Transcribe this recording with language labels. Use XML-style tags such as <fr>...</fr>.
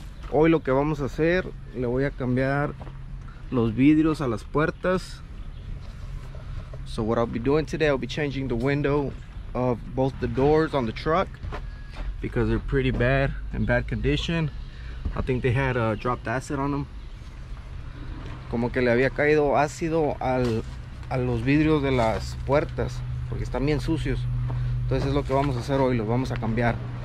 <es>Hoy lo que vamos a hacer, le voy a cambiar los vidrios a las puertas.</es> <en>So what I'll be doing today, I'll be changing the window of both the doors on the truck because they're pretty bad, in bad condition. I think they had dropped acid on them.</en> <es>Como que le había caído ácido a los vidrios de las puertas, porque están bien sucios. Entonces es lo que vamos a hacer hoy, los vamos a cambiar.</es>